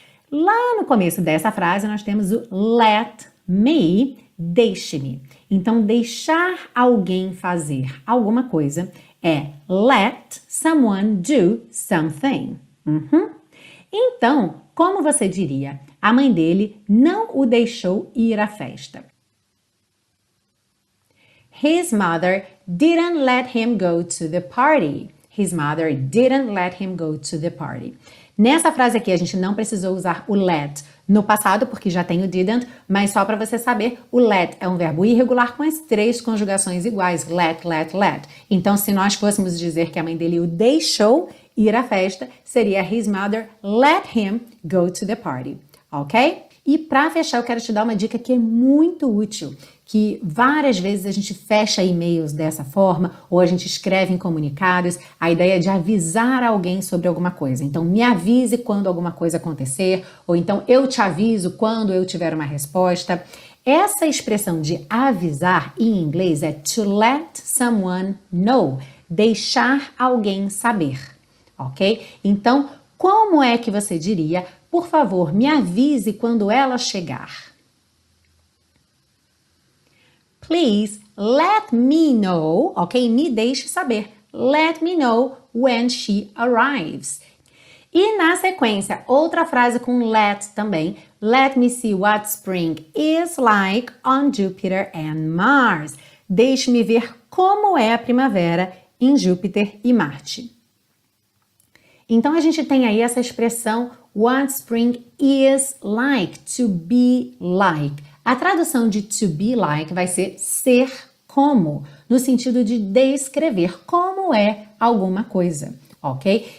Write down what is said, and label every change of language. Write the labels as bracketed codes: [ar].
[pt] Lá no começo dessa frase, nós temos o let me, deixe-me. Então, deixar alguém fazer alguma coisa é [en] let someone do something. [pt] Então, como você diria? A mãe dele não o deixou ir à festa. [en] His mother didn't let him go to the party. His mother didn't let him go to the party. [pt] Nessa frase aqui, a gente não precisou usar o let no passado, porque já tem o didn't, mas só para você saber, o let é um verbo irregular com as três conjugações iguais, let, let, let. Então, se nós fôssemos dizer que a mãe dele o deixou ir à festa, seria [en] his mother let him go to the party, [pt] ok? E para fechar, eu quero te dar uma dica que é muito útil, que várias vezes a gente fecha e-mails dessa forma, ou a gente escreve em comunicados, a ideia de avisar alguém sobre alguma coisa. Então, me avise quando alguma coisa acontecer, ou então eu te aviso quando eu tiver uma resposta. Essa expressão de avisar em inglês é [en] to let someone know, [pt] deixar alguém saber, ok? Então, como é que você diria? Por favor, me avise quando ela chegar. [en] Please let me know, ok? [pt] Me deixe saber. [en] Let me know when she arrives. [pt] E na sequência, outra frase com let também. [en] Let me see what spring is like on Jupiter and Mars. [pt] Deixe-me ver como é a primavera em Júpiter e Marte. Então, a gente tem aí essa expressão [en] what spring is like, [pt] to be like. A tradução de to be like vai ser ser como, no sentido de descrever como é alguma coisa, ok?